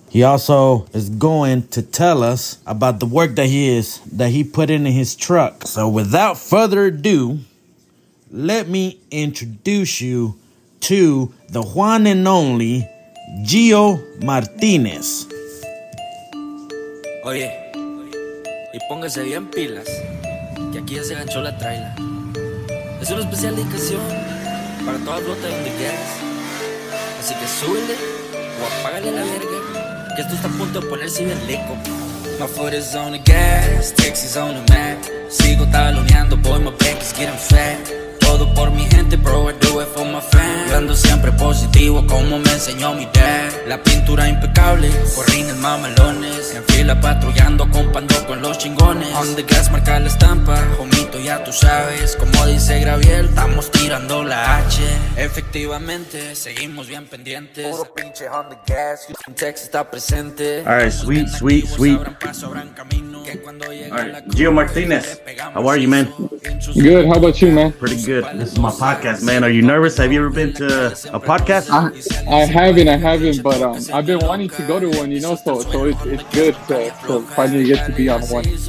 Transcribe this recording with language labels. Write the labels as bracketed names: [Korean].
[English] He also is going to tell us about the work that he put into his truck. So without further ado, let me introduce you to the one and only Gio Martinez. [Spanish] Oye, y póngase bien pilas, que aquí ya se enganchó la traila. Es una especial dedicación para toda ruta donde quieras. Así que súbele o apágale la verga. Esto está a punto de ponerse bien leco. [English] My foot is on the gas, Texas on the map. [Spanish] Sigo taloneando, [English] boy, my bank is getting fat. [Spanish] Todo por mi gente, [English] bro, I do it for my fans. [Spanish] Yo ando siempre positivo, como me enseñó mi dad. La pintura impecable, corrines mamalones. En fila patrullando, compando con los chingones. [English] On the gas, [Spanish] marca la estampa, homito, ya tú sabes. Como dice Graviel, estamos tirando la H. Efectivamente, seguimos bien pendientes. Puro pinche [English] on the gas, [Spanish] Houston, Texas está presente. [English] All right, sweet, sweet, sweet. All right, Gio Martinez, how are you, man? Good, how about you, man? Pretty good. This is my podcast, man. Are you nervous? Have you ever been to a podcast? I haven't, but I've been wanting to go to one, you know, so it's good to finally get to be on one.